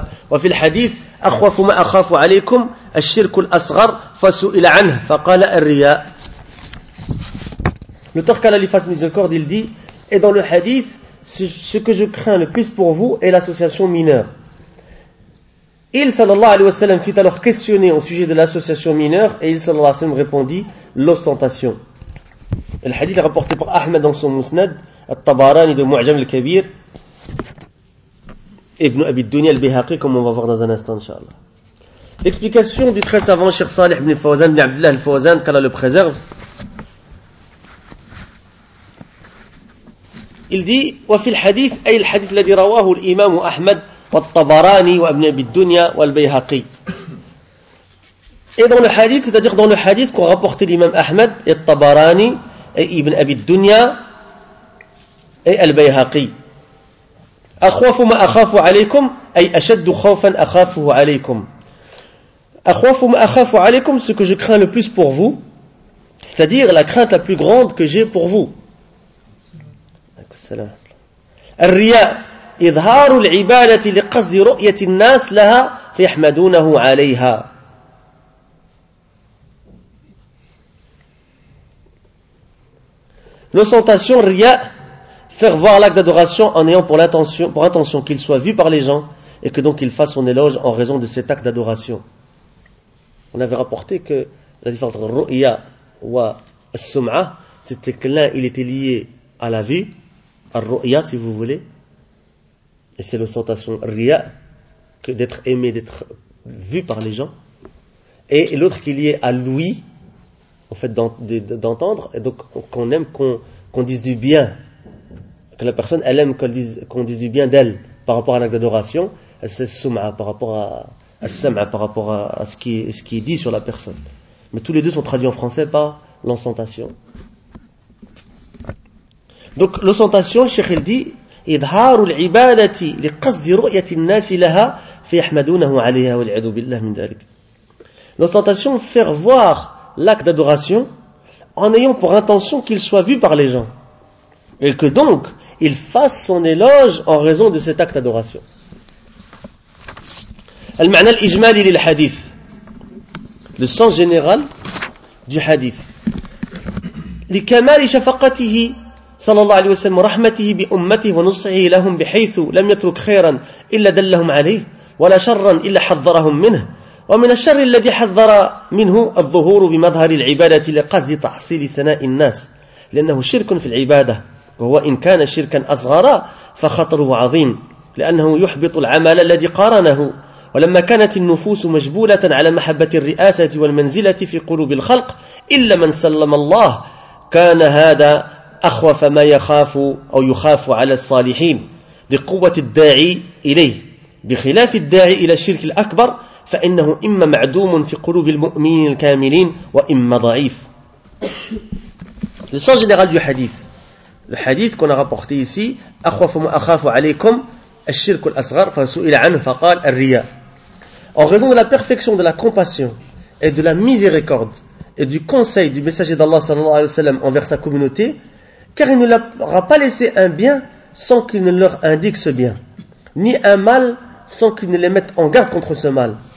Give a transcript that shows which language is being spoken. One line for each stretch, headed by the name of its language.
Arabic: وفي الحديث أخوف ما أخاف عليكم الشرك الأصغر فسئل عنه فقال الرياء.
French: Le temps qu'à l'Aliphase Miséricorde, il dit, et dans le hadith, ce que je crains le plus pour vous est l'association mineure. Il, sallallahu alayhi wa sallam, fut alors questionné au sujet de l'association mineure, et il, sallallahu alayhi wa sallam, répondit, l'ostentation. Et le hadith est rapporté par Ahmed dans son Musnad, al-Tabarani de Mu'jam al-Kabir, Ibn Abi Dunya al-Bihaqi, comme on va voir dans un instant, inshallah. L'explication du très savant Cheikh Salih ibn Fawzan, ibn Abdullah al-Fawzan, qu'Allah le préserve, il dit,
Arabic: وفي الحديث, أي الحديث الذي رواه الإمام أحمد, والطبراني وابن أبي الدنيا والبيهقي.
French: Et dans le hadith, c'est-à-dire dans le hadith qu'ont rapporté l'imam Ahmed et Tabarani et Ibn Abi Dunya et Al-Bayhaqi.
Arabic: أخوف ما أخاف عليكم أي أشد خوفا أخافه عليكم. أخوف ما أخاف عليكم,
French: ce que je crains le plus pour vous, c'est-à-dire la crainte la plus grande que j'ai pour vous.
Arabic: الرياء, إظهار العبادة لقصد رؤية الناس لها فيحمدونه عليها.
French: L'ostentation, ria, faire voir l'acte d'adoration en ayant pour intention qu'il soit vu par les gens et que donc il fasse son éloge en raison de cet acte d'adoration. On avait rapporté que la différence entre ru'ya wa sum'a, c'était que l'un, il était lié à la vue, à ru'ya si vous voulez, et c'est l'ostentation ria, que d'être aimé, d'être vu par les gens, et l'autre qui est lié à l'ouïe, au fait d'entendre, et donc qu'on aime qu'on dise du bien, que la personne, elle aime qu'on dise du bien d'elle, par rapport à l'acte d'adoration, c'est sum'a, par rapport à As-sam'a, par rapport à ce qui est dit sur la personne. Mais tous les deux sont traduits en français par l'ostentation. Donc l'ostentation, le cheikh il dit,
Arabic: إظهار العبادة لقصد رؤية الناس لها فيحمدونه عليها والعياذ بالله من ذلك.
French: L'ostentation, faire voir l'acte d'adoration en ayant pour intention qu'il soit vu par les gens. Et que donc, il fasse son éloge en raison de cet acte d'adoration.
Arabic: المعنى الإجمالي للحديث.
French: Le sens général du hadith.
Arabic: لكمال شفقته صلى الله عليه وسلم رحمته بأمته ونصحه لهم بحيث لم يترك خيرا إلا دلهم عليه ولا شرا إلا حذرهم منه ومن الشر الذي حذر منه الظهور بمظهر العبادة لقصد تحصيل ثناء الناس لأنه شرك في العبادة وهو إن كان شركا أصغرا فخطره عظيم لأنه يحبط العمل الذي قارنه ولما كانت النفوس مجبولة على محبة الرئاسة والمنزلة في قلوب الخلق إلا من سلم الله كان هذا أخوف ما يخاف أو يخاف على الصالحين لقوة الداعي إليه بخلاف الداعي إلى الشرك الأكبر فإنه إما معدوم في قلوب المؤمنين الكاملين وإما ضعيف.
French: Le sens général du hadith. Le hadith qu'on a rapporté ici,
Arabic: أخوف ما أخاف عليكم الشرك الأصغر فسئل عنه فقال الرياء.
French: En raison de la perfection de la compassion et de la miséricorde et du conseil du messager d'Allah sallallahu alayhi wa sallam envers sa communauté, car il ne leur a pas laissé un bien sans qu'il ne leur indique ce bien, ni un mal sans qu'il ne les mette en garde contre ce mal.